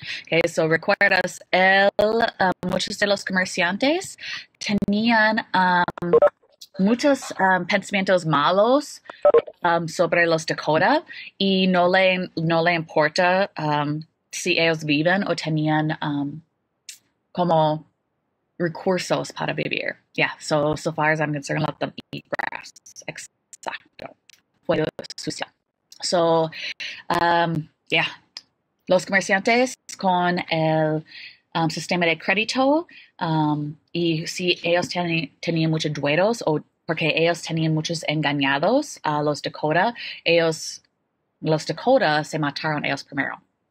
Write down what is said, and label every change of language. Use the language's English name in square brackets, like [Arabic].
[English] Okay, so [Spanish] recuerdas, muchos de los comerciantes tenían muchos pensamientos malos sobre los Dakota y no le importa si ellos viven o tenían como recursos para vivir. [English] Yeah, so far as I'm concerned, let them eat grass. [Spanish] Exacto. Fue sucia. [English] So, yeah, [Spanish] los comerciantes con el sistema de crédito y si ellos tenían muchos dueños o porque ellos tenían muchos engañados a los Dakota, los Dakota se mataron ellos primero.